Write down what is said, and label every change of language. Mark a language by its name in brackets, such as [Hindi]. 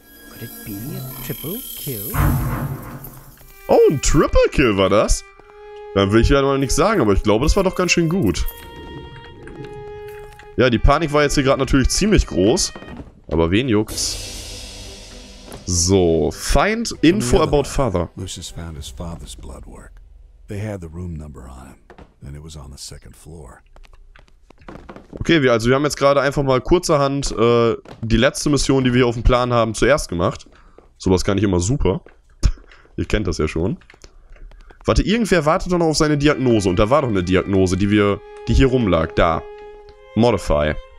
[English] Could it be a triple kill? [German] Oh, ein Triple Kill war das? Dann will ich ja mal nichts sagen, aber ich glaube, das war doch ganz schön gut. Ja, die Panik war jetzt hier gerade natürlich ziemlich groß. Aber wen juckt's? [English] So, find info about father. Lucius found his father's blood work. They had the room number on him, and it was on the second floor. [German] Okay, wir haben jetzt gerade einfach mal kurzerhand die letzte Mission, die wir hier auf dem Plan haben, zuerst gemacht. Sowas kann ich immer super. Ihr kennt das ja schon. Warte, irgendwer wartet doch noch auf seine Diagnose. Und da war doch eine Diagnose, die hier rumlag. Da. Modify.